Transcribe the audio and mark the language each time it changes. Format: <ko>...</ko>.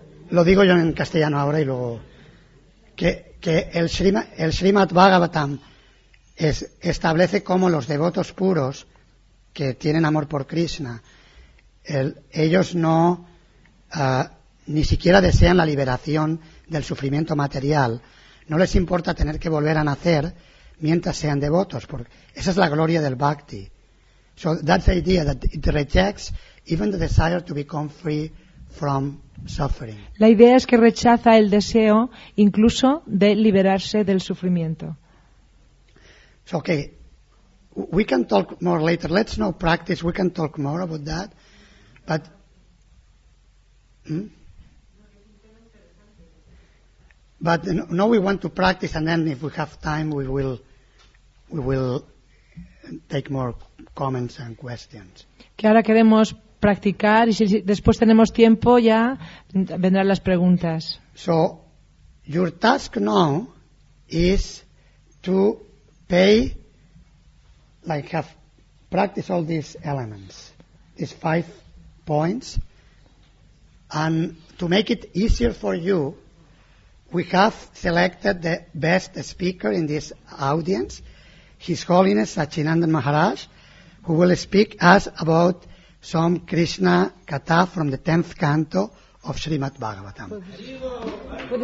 <es>Lo digo yo en castellano ahora y luego que el Srimad Bhagavatam establece cómo los devotos puros que tienen amor por Krishna, ellos no ni siquiera desean la liberación del sufrimiento material, no les importa tener que volver a nacer mientras sean devotos, porque esa es la gloria del bhakti.</es> <en>So that's the idea that it rejects even the desire to become free from suffering.</en> <es>La idea es que rechaza el deseo incluso de liberarse del sufrimiento.</es> <en>So, okay, we can talk more later. Let's now practice. We can talk more about that. But but now we want to practice, and then if we have time, we will take more comments and questions.</en> <es>Que ahora queremos practicar y si después tenemos tiempo ya vendrán las preguntas.</es> <en>So your task now is to pay, like have practice all these elements, these five points, and to make it easier for you, we have selected the best speaker in this audience, His Holiness Sachinandan Maharaj, who will speak us about some Krishna katha from the 10th canto of Srimad Bhagavatam.</en>